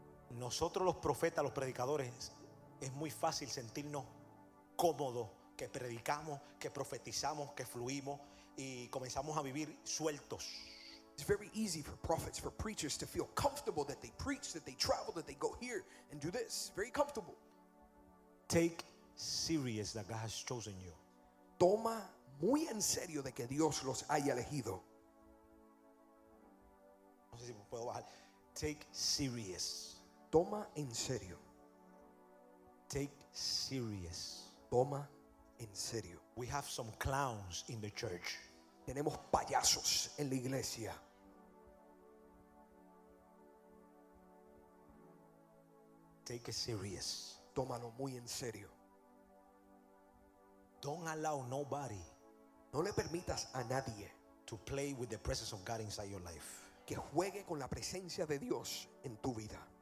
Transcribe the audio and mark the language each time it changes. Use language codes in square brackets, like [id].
[es] Nosotros los profetas, los predicadores, es muy fácil sentirnos cómodos que predicamos, que profetizamos, que fluimos y comenzamos a vivir sueltos. [en] It's very easy for prophets, for preachers to feel comfortable that they preach, that they travel, that they go here and do this. Very comfortable. Take serious that God has chosen you. [es] Toma muy en serio de que Dios los haya elegido. No sé si puedo bajar. [en] Take serious. [es] Toma en serio. [en] Take serious. [es] Toma en serio. [en] We have some clowns in the church. [es] Tenemos payasos en la iglesia. [en] Take it serious. [es] Tómalo muy en serio. [en] Don't allow nobody. [es] No le permitas a nadie [en] to play with the presence of God inside your life. [es] Que juegue con la presencia de Dios en tu vida.